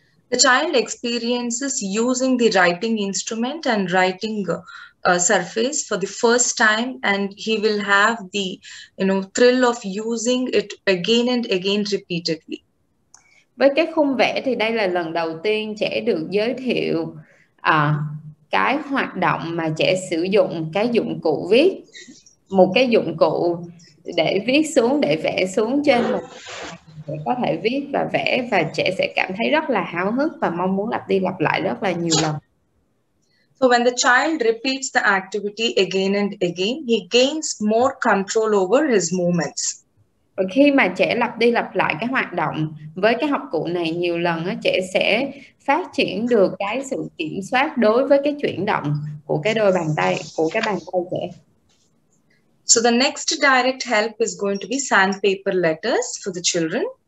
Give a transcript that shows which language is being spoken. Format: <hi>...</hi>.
<en>The child experiences using the writing instrument and writing surface for the first time, and he will have the, you know, thrill of using it again and again repeatedly.</en> <vi>Với cái khung vẽ thì đây là lần đầu tiên trẻ được giới thiệu cái hoạt động mà trẻ sử dụng cái dụng cụ viết, một cái dụng cụ để viết xuống, để vẽ xuống trên một có thể viết và vẽ, và trẻ sẽ cảm thấy rất là háo hức và mong muốn lặp đi lặp lại rất là nhiều lần.</vi> <en>So when the child repeats the activity again and again, he gains more control over his movements.</en> <vi>Và khi mà trẻ lặp đi lặp lại cái hoạt động với cái học cụ này nhiều lần, trẻ sẽ phát triển được cái sự kiểm soát đối với cái chuyển động của cái đôi bàn tay, của cái bàn tay trẻ.</vi> <en>So the next direct help is going to be sandpaper letters for the children.</en>